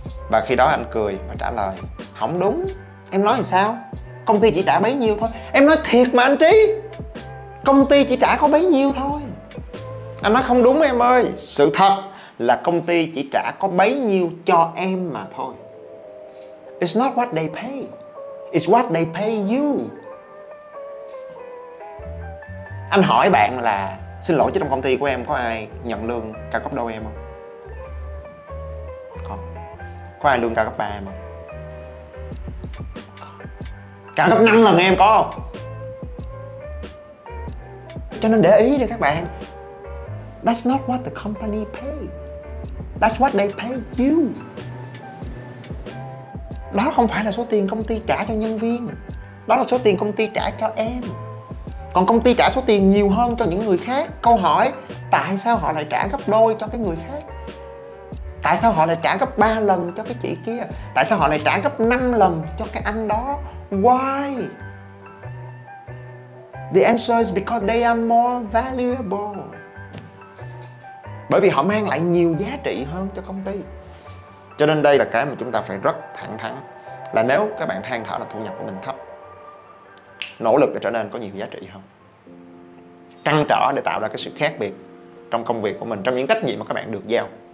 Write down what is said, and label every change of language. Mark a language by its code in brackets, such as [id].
[vi] Và khi đó anh cười và trả lời, không đúng, em nói làm sao, công ty chỉ trả bấy nhiêu thôi, em nói thiệt mà anh Trí, công ty chỉ trả có bấy nhiêu thôi. Anh nói không đúng em ơi, sự thật là công ty chỉ trả có bấy nhiêu cho em mà thôi. [en] It's not what they pay, it's what they pay you. [vi] Anh hỏi bạn là, xin lỗi chứ trong công ty của em có ai nhận lương cao gấp đôi em không? Không. Có ai lương cao gấp ba em không? Cao gấp 5 lần em có không? Cho nên để ý đi các bạn, [en] that's not what the company pay, that's what they pay you. [vi] Đó không phải là số tiền công ty trả cho nhân viên, đó là số tiền công ty trả cho em. Còn công ty trả số tiền nhiều hơn cho những người khác. Câu hỏi, tại sao họ lại trả gấp đôi cho cái người khác? Tại sao họ lại trả gấp 3 lần cho cái chị kia? Tại sao họ lại trả gấp 5 lần cho cái anh đó? [en] Why? The answer is because they are more valuable. [vi] Bởi vì họ mang lại nhiều giá trị hơn cho công ty. Cho nên đây là cái mà chúng ta phải rất thẳng thắn, là nếu các bạn than thở là thu nhập của mình thấp, nỗ lực để trở nên có nhiều giá trị hơn, trăn trở để tạo ra cái sự khác biệt trong công việc của mình, trong những trách nhiệm mà các bạn được giao.